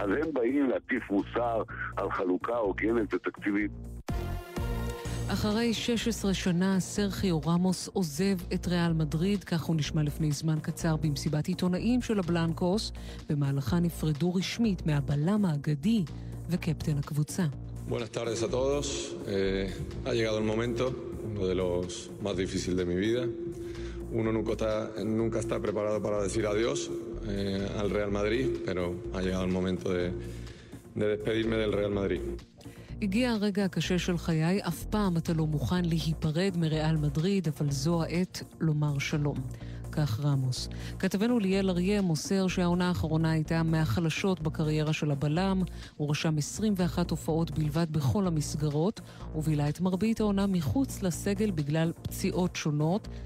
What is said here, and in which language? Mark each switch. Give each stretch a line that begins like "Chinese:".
Hebrew: אז הם באים להטיף מוסר על חלוקה הוגנת ותקציבית. אחרי 16 שנה, סרחיו רמוס עוזב את ריאל מדריד, כך הוא נשמע לפני זמן קצר במסיבת עיתונאים של הבלנקוס, במהלכה נפרדו רשמית מהבלם האגדי וקפטן הקבוצה.
Spanish: Buenas tardes a todos. Ha llegado el momento, uno de los más difíciles de mi vida. Uno nunca está preparado para decir adiós al Real Madrid, pero ha llegado el momento de despedirme del Real Madrid.
Hebrew: הגיע הרגע הקשה של חיי, אף פעם אתה לא מוכן להיפרד מריאל מדריד, אבל זו העת לומר שלום. כך רמוס. כתבנו ליאל אריה מוסר שהעונה האחרונה הייתה מהחלשות בקריירה של הבלם, הוא רשם 21 הופעות בלבד בכל המסגרות, ובילה את מרבית העונה מחוץ לסגל בגלל פציעות שונות.